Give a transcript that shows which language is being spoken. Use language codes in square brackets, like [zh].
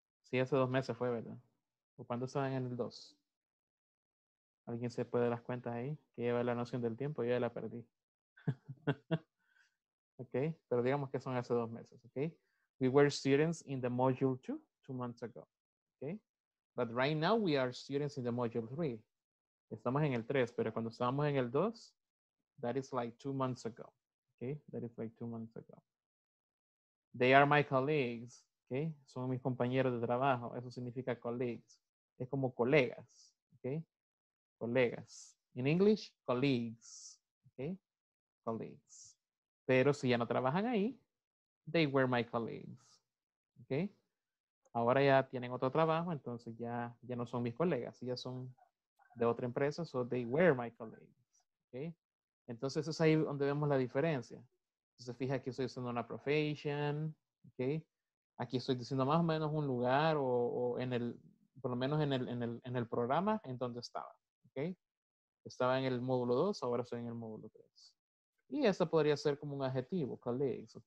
[es] Sí, hace 2 meses fue, ¿verdad? ¿O cuándo estaban en el 2? ¿Alguien se puede dar las cuentas ahí? Que lleva la noción del tiempo, yo ya la perdí. Ok, pero digamos que son hace 2 meses, ok. [en] We were students in the module 2, 2 months ago. Ok, but right now we are students in the module 3. [es] Estamos en el 3, pero cuando estábamos en el 2, [en] that is like 2 months ago. Ok, that is like 2 months ago. They are my colleagues. [es] Okay, son mis compañeros de trabajo. Eso significa colleagues. Es como colegas. Okay, colegas. [en] In English, colleagues. Okay, colleagues. [es] Pero si ya no trabajan ahí, [en] they were my colleagues. [es] Okay, ahora ya tienen otro trabajo, entonces ya no son mis colegas. Ya son de otra empresa, [en] so they were my colleagues. [es] Okay, entonces es ahí donde vemos la diferencia. Si se fija que estoy usando una profession. Okay. Aquí estoy diciendo más o menos un lugar o en el, por lo menos en el programa en donde estaba, ¿ok? Estaba en el módulo 2, ahora estoy en el módulo 3. Y esto podría ser como un adjetivo, colleagues, ¿ok?